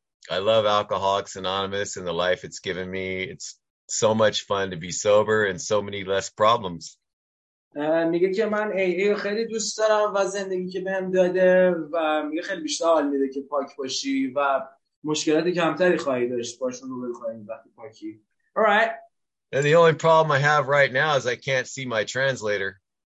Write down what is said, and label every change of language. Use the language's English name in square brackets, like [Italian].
[English] I love Alcoholics Anonymous and the life it's given me. It's so much fun to be sober and so many less problems. [Persian] میگه که من AA خیلی دوست دارم و زندگی که بهم داده و میگه خیلی بیشتر حال میده که پاک باشی و مشکلات کمتری خواهی داشت باشون رو بخواهی وقتی پاکی. [English] All right. And the only problem I have right now is I can't see my translator.